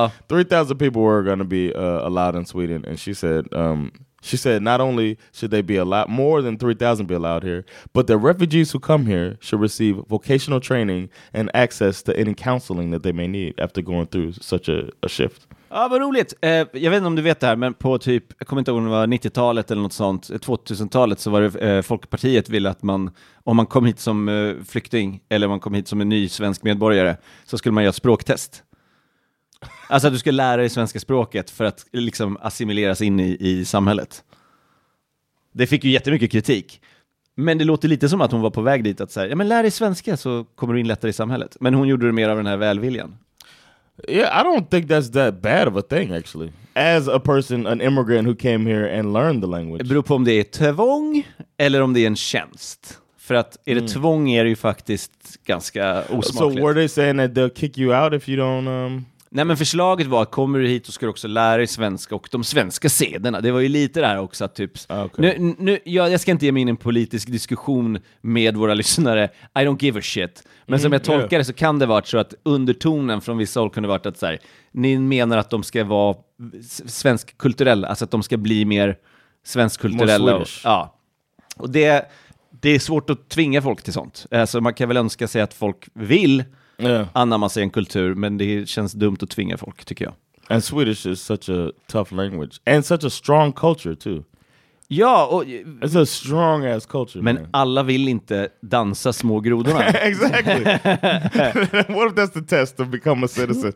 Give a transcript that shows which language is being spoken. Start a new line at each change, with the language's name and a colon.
English: 3,000 people were going to be allowed in Sweden. And she said, not only should they be allowed, more than 3,000 be allowed here, but the refugees who come here should receive vocational training and access to any counseling that they may need after going through such a shift.
Swedish: Ja, vad roligt. Jag vet inte om du vet det här, men på typ, jag kommer inte ihåg om det var 90-talet eller något sånt, 2000-talet, så var det Folkpartiet ville att man, om man kom hit som flykting eller om man kom hit som en ny svensk medborgare, så skulle man göra språktest. Alltså att du skulle lära dig svenska språket för att liksom assimileras in i samhället. Det fick ju jättemycket kritik. Men det låter lite som att hon var på väg dit att säga, ja men lär dig svenska så kommer du in lättare i samhället. Men hon gjorde det mer av den här välviljan.
English: Yeah, I don't think that's that bad of a thing, actually. As a person, an immigrant who came here and learned the language.
Swedish: Det beror på om det är tvång eller om det är en tjänst. För att är det tvång är det ju faktiskt ganska osmakligt.
English: So were they saying that they'll kick you out if you don't...
Swedish: Nej, men förslaget var att kommer du hit och ska du också lära dig svenska och de svenska sederna. Det var ju lite det här också, typ.
English: Okay.
Swedish: Jag ska inte ge mig in en politisk diskussion med våra lyssnare.
English: I don't give a shit.
Swedish: Men som jag tolkar det så kan det vara så att undertonen från vissa håll kunde varit att så här, ni menar att de ska vara svensk kulturella, alltså att de ska bli mer svensk kulturella. Ja. Och det är svårt att tvinga folk till sånt. Alltså man kan väl önska sig att folk vill anamma sig en kultur, men det känns dumt att tvinga folk, tycker jag.
English: And Swedish is such a tough language and such a strong culture too.
Swedish: Ja, och
English: it's a strong ass culture.
Swedish: Men man, alla vill inte dansa små grodorna.
English: Exactly. What if that's the test to become a citizen?